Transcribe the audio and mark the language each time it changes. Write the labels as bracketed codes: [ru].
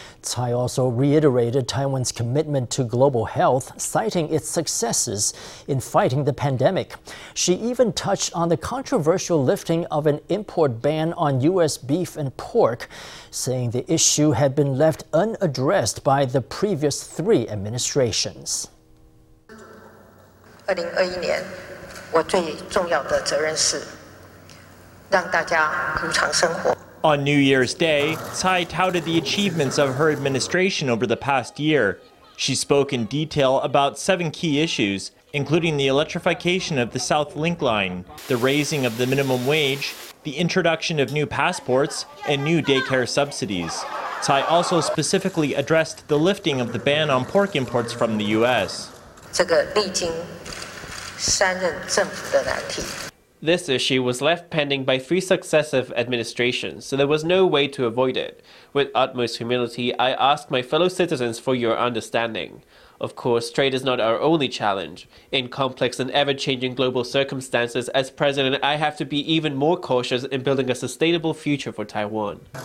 [en] Tsai also reiterated Taiwan's commitment to global health, citing its successes in fighting the pandemic. She even touched on the controversial lifting of an import ban on U.S. beef and pork, saying the issue had been left unaddressed by the previous three administrations. [zh] 2021年，我最重要的责任是让大家如常生活。 [en] On New Year's Day, Tsai touted the achievements of her administration over the past year. She spoke in detail about seven key issues, including the electrification of the South Link Line, the raising of the minimum wage, the introduction of new passports, and new daycare subsidies. Tsai also specifically addressed the lifting of the ban on pork imports from the U.S. [zh] 这个历经三任政府的难题。 [en] This issue was left pending by three successive administrations, so there was no way to avoid it. With utmost humility, I ask my fellow citizens for your understanding. Of course, trade is not our only challenge. In complex and ever-changing global circumstances, as president, I have to be even more cautious in building a sustainable future for Taiwan.